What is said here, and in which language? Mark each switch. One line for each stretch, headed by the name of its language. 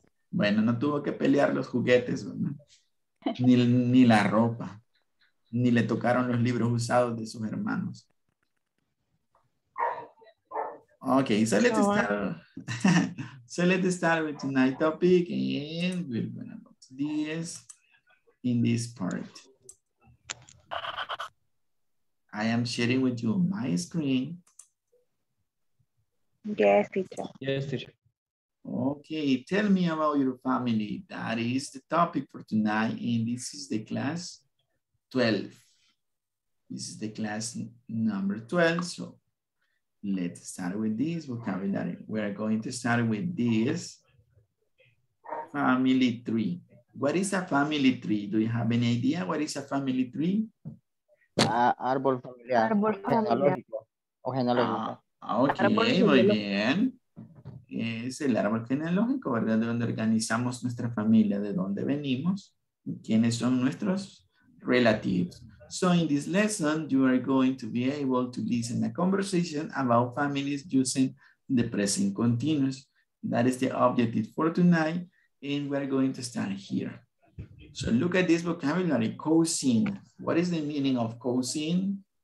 Spanish: Bueno, no tuvo que pelear los juguetes, ¿no? ni la ropa, ni le tocaron los libros usados de sus hermanos.
English: Okay, so let's start. So let's start with tonight's topic and we're gonna go to this in this part. I am sharing with you my screen. Yes, teacher. Okay, tell me about your family. That is the topic for tonight, and this is the class 12. This is the class number 12. So let's start with this vocabulary. We're going to start with this family tree. What is a family tree? Do you have any idea what is a family tree?
Spanish: Árbol familiar. Genealógico. Okay, muy bien. Es el árbol genealógico, ¿verdad? De donde organizamos nuestra familia, de dónde venimos, quiénes son nuestros relatives.
English: So in this lesson, you are going to be able to listen a conversation about families using the present continuous. That is the objective for tonight. And we're going to start here. So look at this vocabulary, cousin. What is the meaning of cousin?